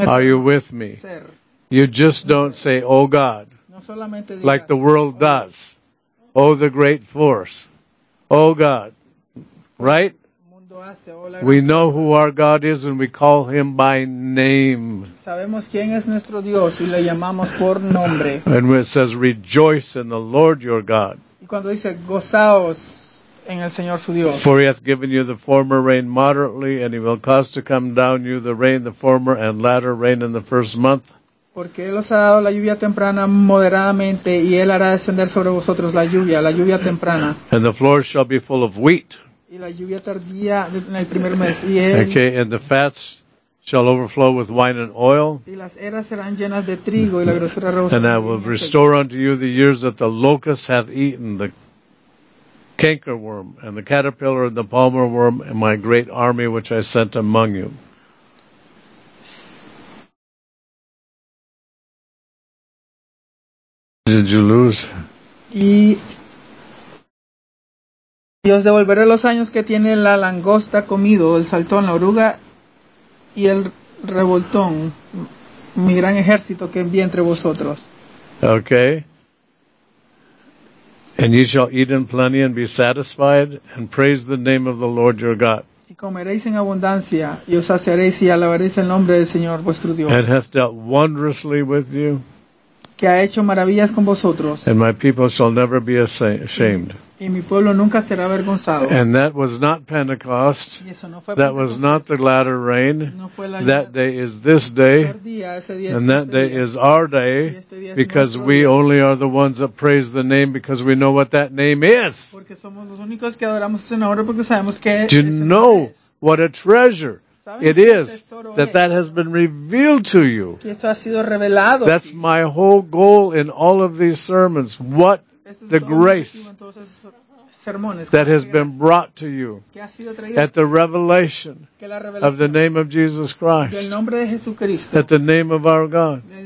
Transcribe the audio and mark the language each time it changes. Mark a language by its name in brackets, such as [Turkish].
[Spanish] eterno. [English] Are you with me? [Spanish] Ser. [English] You just don't say, oh God, [Spanish] no solamente diga, [English] like the world does. Oh, the great force. Oh, God. Right? We know who our God is and we call him by name. [Spanish] Sabemos quién es nuestro Dios y le llamamos por nombre. [English] And when it says, rejoice in the Lord your God. [Spanish] Y cuando dice, gozaos en el Señor su Dios. [English] For he hath given you the former rain moderately, and he will cause to come down you the rain, the former and latter rain in the first month. [Spanish] Porque Él os ha dado la lluvia temprana moderadamente, y Él hará descender sobre vosotros la lluvia temprana. [English] And the floor shall be full of wheat. [Spanish] Y la lluvia tardía en el primer mes. Y [English] okay, and the fats shall overflow with wine and oil. [Spanish] Y las eras serán llenas de trigo y la grosura rebosa. [English] And I will restore unto you the years that the locust hath eaten, the cankerworm, and the caterpillar, and the palmer worm, and my great army which I sent among you. Did you lose? [Spanish] Y os devolveré los años que tiene la langosta comido, el saltón, la oruga y el revoltón, mi gran ejército que envié entre vosotros. [English] Okay. And ye shall eat in plenty and be satisfied and praise the name of the Lord your God. [Spanish] Y comeréis en abundancia y os saciaréis y alabaréis el nombre del Señor vuestro Dios. [English] And hath dealt wondrously with you. [Spanish] Que ha hecho maravillas con vosotros. [English] And my people shall never be ashamed. [Spanish] Y mi pueblo nunca será avergonzado. [English] And that was not Pentecost. [Spanish] Y eso no fue Pentecost. [English] That was not the latter rain. [Spanish] No fue la [English] that Day is this day. [Spanish] Día, ese día [English] and that [Spanish] este [English] day [Spanish] día. [English] Is our day. [Spanish] Y este día [English] because [Spanish] es [English] we [Spanish] día. [English] Only are the ones that praise the name because we know what that name is. [Spanish] Porque somos los únicos que adoramos ese nombre porque sabemos que [English] Do you know what a treasure it is that has been revealed to you. That's my whole goal in all of these sermons. What the grace that has been brought to you at the revelation of the name of Jesus Christ, at the name of our God.